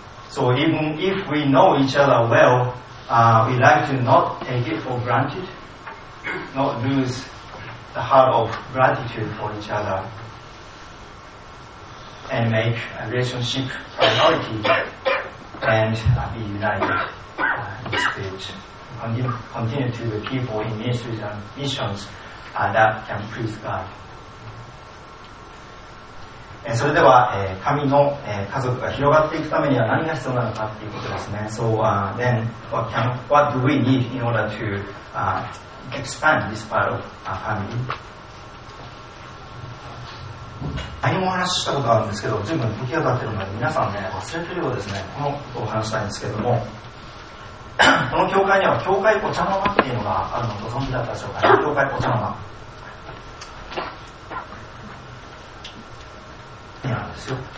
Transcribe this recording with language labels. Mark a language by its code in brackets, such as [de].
[en] So even if we know each other well, we like to not take it for granted, not lose the heart of gratitude for each other, and make a relationship priority. And be united in this stage. Continue to the people in ministries and missions that can please God. And [ja] それでは、神の、家族が広がっていくためには何が必要なのかということですね。 [en] So then, what do we need in order to expand this part of our family? [ja] 何も話したことあるんですけど、随分時が経ってるので皆さんね忘れてるようですね。このことを話したいんですけども、この教会には教会お茶の間っていうのがあるのご存知だったでしょうか、ね、教会お茶の間にあるんですよ。